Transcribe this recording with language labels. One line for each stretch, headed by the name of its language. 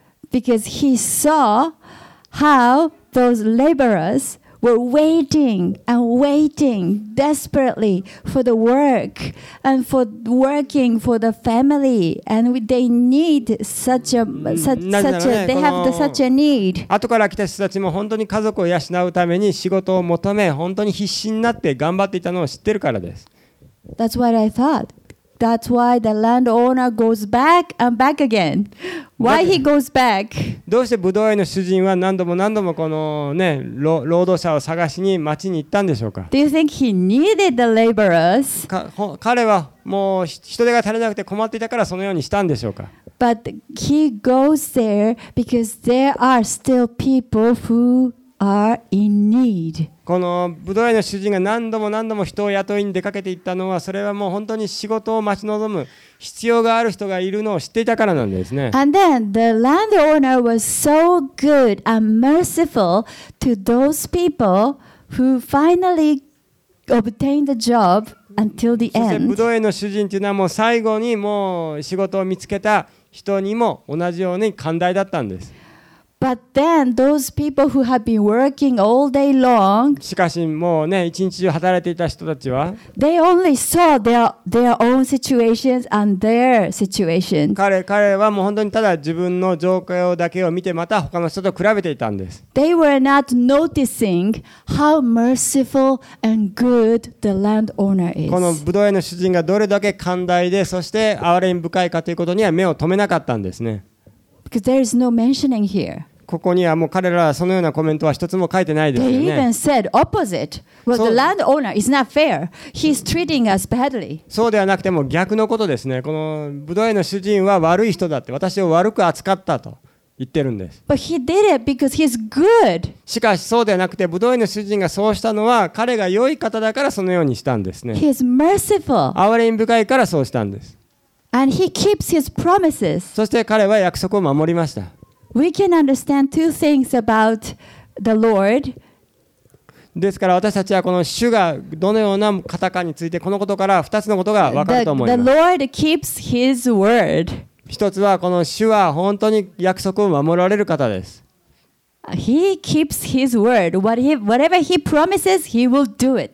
English: Because he saw how those laborers were waiting and waiting desperately for the work and for working for the family, and they need such a need.
Japanese: 後から来た人たちも本当に家族を養うために仕事を求め、本当に必死になって頑張っていたのを知ってるからです。
English: That's what I thought. That's why the landowner goes back and back again. Why he goes back?
Japanese: どうしてブドウ園の主人は何度も何度もこのね労働者を探しに町に行ったんでしょうか?
English: Do you think he needed the laborers?
Japanese: 彼はもう人手が足りなくて困っていたからそのようにしたんでしょうか?
English: But he goes there because there are still people who are in need.
Japanese: このブドウ園の主人が何度も何度も人を雇いに出かけていったのは、それはもう本当に仕事を待ち望む必要がある人がいるのを知っていたからなんですね。
English: And then the landowner was so good and merciful to those people who finally obtained the job until the end.
Japanese: ブドウ園の主人というのはもう最後にもう仕事を見つけた人にも同じように寛大だったんです。
English: But then those people who have been working all day long,
Japanese: しかしもうね、一日中働いていた人たちは、
English: they only saw their own situations and their situation.
Japanese: 彼はもう本当にただ自分の状況だけを見て、また他の人と比べていたんです。
English: They were not noticing how merciful and good the landowner is.
Japanese: このブドウ園の主人がどれだけ寛大で、そして憐れみ深いかということには目を留めなかったんですね。
English: Because there is no mentioning here.
Japanese: ここにはもう彼らはそのようなコメントは一つも書いてないですよね。
English: They even said opposite. Well, the landowner is not fair. He's treating us badly.
Japanese: そうではなくても逆のことですね。このブドウ園の主人は悪い人だって、私を悪く扱ったと言ってるんです。
English: But he did it because he's good.
Japanese: しかしそうではなくて、ブドウ園の主人がそうしたのは、彼が良い方だからそのようにしたんですね。
English: He's merciful.
Japanese: 憐れみ深いからそうしたんです。
English: And he keeps his promises.
Japanese: そして彼は約束を守りました。
English: We can understand two things about the Lord.
Japanese: ですから私たちはこの主がどのような方かについて、このことから2つのことが分かると思います。
English: The Lord keeps his word.
Japanese: 一つはこの主は本当に約束を守られる方です。
English: He keeps his word. Whatever he promises, he will do it.